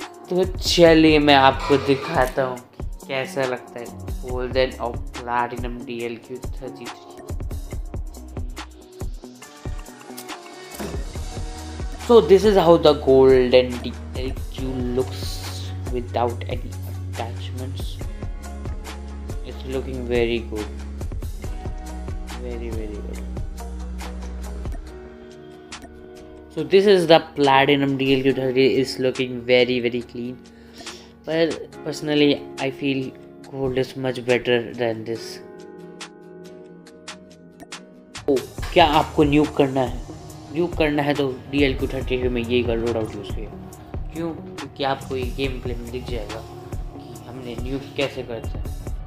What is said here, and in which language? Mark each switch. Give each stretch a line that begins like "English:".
Hindi: तो चलिए मैं आपको दिखाता हूँ कैसा लगता है गोल्ड इन और platinum DL Q33।
English: So this is how the gold in DL Q looks without any attachments. It's looking very good, very very good. So this is the platinum DL Q33. It's looking very very clean. But personally, I feel gold is much better than this.
Hindi: Oh, क्या आपको nuke करना है? Nuke करना है तो DL Q33 में यही कर लोड आउट यूज़ किया। क्यों? क्योंकि आपको ये गेम प्ले में दिख जाएगा कि हमने nuke कैसे करते हैं।